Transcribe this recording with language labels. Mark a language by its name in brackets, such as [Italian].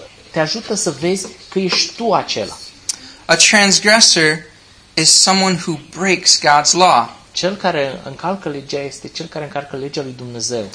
[Romanian] Te ajută să vezi că ești tu acela. [English] A transgressor is someone who breaks God's law. [Romanian] Cel care încalcă legea este cel care încalcă legea lui Dumnezeu.